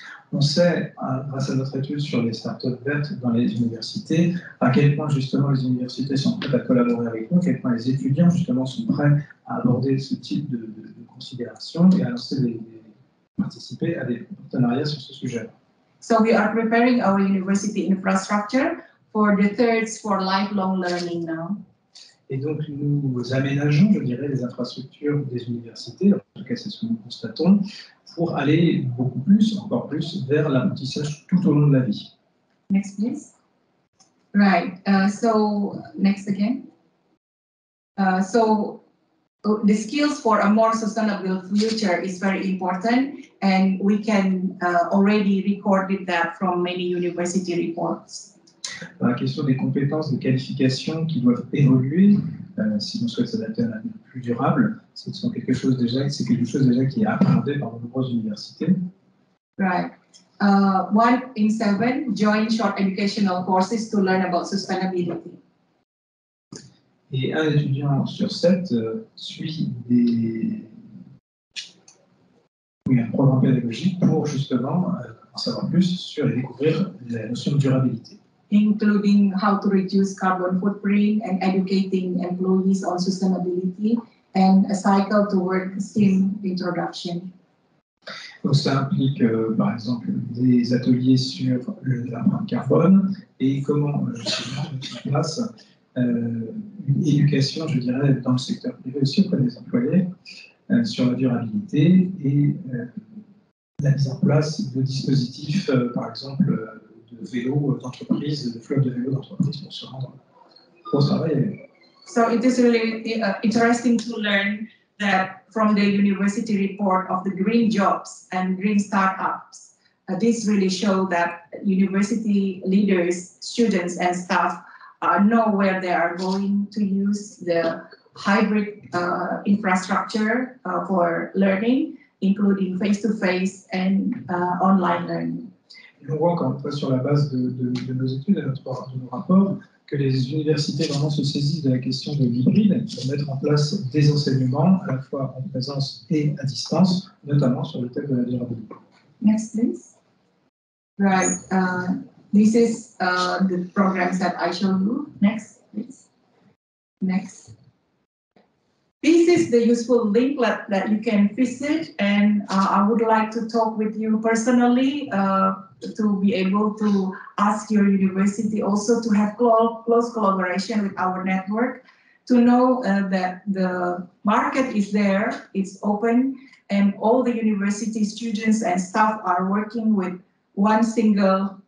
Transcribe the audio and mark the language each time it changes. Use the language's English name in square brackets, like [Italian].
[French] On sait, grâce à notre étude sur les startups vertes dans les universités, à quel point justement les universités sont prêtes à collaborer avec nous, à quel point les étudiants justement sont prêts à aborder ce type de considération et à lancer participer à des partenariats sur ce sujet. [English] So we are preparing our university infrastructure for the thirds for lifelong learning now. [French] Et donc nous aménageons, je dirais, les infrastructures des universités, en tout cas c'est ce que nous constatons, pour aller beaucoup plus, encore plus, vers l'apprentissage tout au long de la vie. [English] Next, please. Right, so next again. So the skills for a more sustainable future is very important, and we can already record that from many university reports. [French] La question des compétences, des qualifications qui doivent évoluer si l'on souhaite s'adapter à un avenir plus durable, c'est quelque chose déjà qui est appréhendé par de nombreuses universités. [English] Right. One in seven join short educational courses to learn about sustainability. [French] Et un étudiant sur sept suit des... Oui, un programme pédagogique pour justement en savoir plus sur et découvrir la notion de durabilité. [English] Including how to reduce carbon footprint and educating employees on sustainability and a cycle to work sim introduction. [French] Donc ça implique par exemple des ateliers sur l'empreinte carbone et comment justement mettre en place une éducation, je dirais, dans le secteur privé aussi auprès des employés sur la durabilité et la mise en place de dispositifs, par exemple, de vélos d'entreprise, de flotte de vélos d'entreprise pour se rendre au travail. [English] So it is really interesting to learn that from the university report of the green jobs and green startups. This really shows that university leaders, students and staff know where they are going to use the hybrid infrastructure for learning, including face-to-face and online learning. [French] Et on voit encore une fois sur la base de nos études et de nos rapports que les universités vraiment se saisissent de la question de l'hybride pour mettre en place des enseignements à la fois en présence et à distance, notamment sur le thème de la durabilité. [English] Next, please. Right. This is the programs that I show you. Next, please. Next. This is the useful link that you can visit, and I would like to talk with you personally to be able to ask your university also to have close collaboration with our network to know that the market is there, it's open, and all the university students and staff are working with one single.